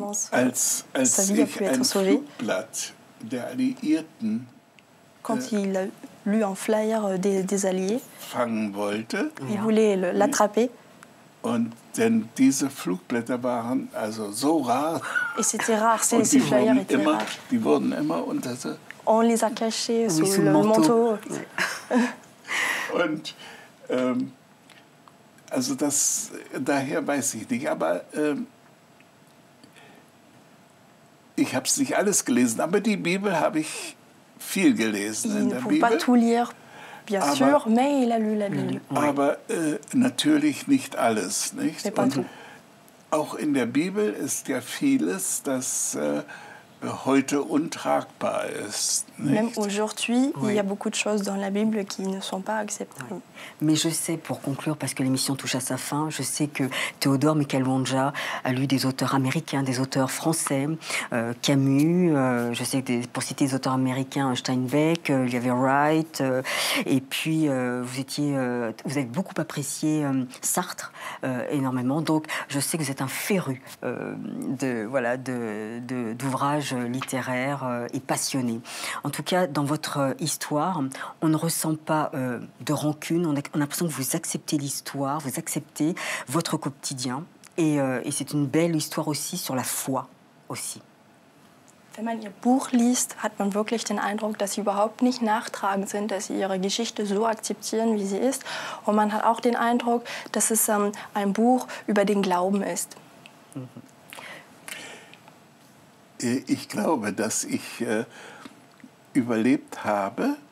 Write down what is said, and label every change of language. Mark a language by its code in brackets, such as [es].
[de] Als ich ein Flugblatt der Alliierten [fr] quand il a lu un flyer des Alliés [de] fangen wollte, [fr] il voulait l'attraper. [de] Und denn diese Flugblätter waren also so rar. [fr] Et c'était rare, ces flyers étaient rares. [de] Die wurden immer unter so. [fr] On les a cachés sous le manteau. [de] Und also das, daher weiß ich nicht, aber ich habe es nicht alles gelesen, aber die Bibel habe ich viel gelesen. [fr] Il ne pouvait pas tout lire, bien sûr, mais il a lu la Bible. [de] Aber natürlich nicht alles, nicht? Und auch in der Bibel ist ja vieles, das heute untragbar ist. Nicht? [fr] Même aujourd'hui, oui. il y a beaucoup de choses dans la Bible qui ne sont pas acceptables. Oui. Mais je sais, pour conclure, parce que l'émission touche à sa fin, je sais que Théodore Michael Wanja a lu des auteurs américains, des auteurs français, Camus, je sais que pour citer des auteurs américains, Steinbeck, il y avait Wright, et puis vous avez beaucoup apprécié Sartre énormément, donc je sais que vous êtes un féru d'ouvrages littéraires et passionnés. En tout cas, dans votre histoire, on ne ressent pas de rancune, on a l'impression que vous acceptez l'histoire, vous acceptez votre quotidien. Et c'est une belle histoire aussi sur la foi aussi. [de] Wenn man ihr Buch liest, hat man wirklich den Eindruck, dass sie überhaupt nicht nachtragend sind, dass sie ihre Geschichte so akzeptieren, wie sie ist. Und man hat auch den Eindruck, dass es ein Buch über den Glauben ist. Ich glaube, dass ich überlebt habe,